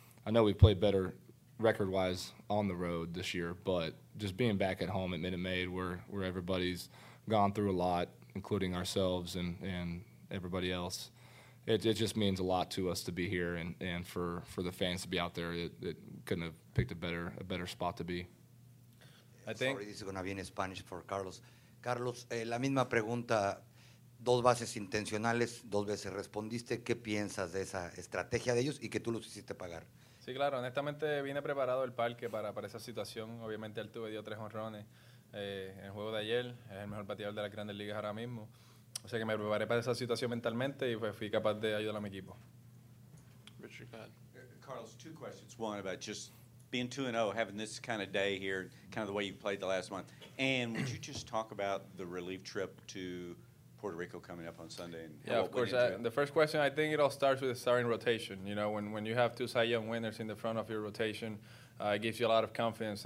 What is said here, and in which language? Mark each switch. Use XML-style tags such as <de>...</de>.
<en>I know we've played better record-wise on the road this year, but just being back at home at Minute Maid where everybody's gone through a lot, including ourselves and everybody else, it just means a lot to us to be here, and for the fans to be out there, it couldn't have picked a better spot to be. I think. Sorry, this is going to be in Spanish for Carlos.</en> <es>Carlos, la misma pregunta, dos bases intencionales, dos veces respondiste. ¿Qué piensas de esa estrategia de ellos y que tú los hiciste pagar? Sí, claro. Honestamente, vine preparado el parque para esa situación. Obviamente, Altuve dio tres jonrones en el juego de ayer. Es el mejor bateador de las grandes ligas ahora mismo. O sea que me preparé para esa situación mentalmente y fui capaz de ayudar a mi equipo.</es> <en>Richard, go ahead. Carlos, two questions. One, about just being 2-0, having this kind of day here, kind of the way you played the last month. And would you just talk about the relief trip to Puerto Rico coming up on Sunday? And yeah, of course. The first question, I think it all starts with the starting rotation. You know, when you have two Cy Young winners in the front of your rotation, it gives you a lot of confidence.</en>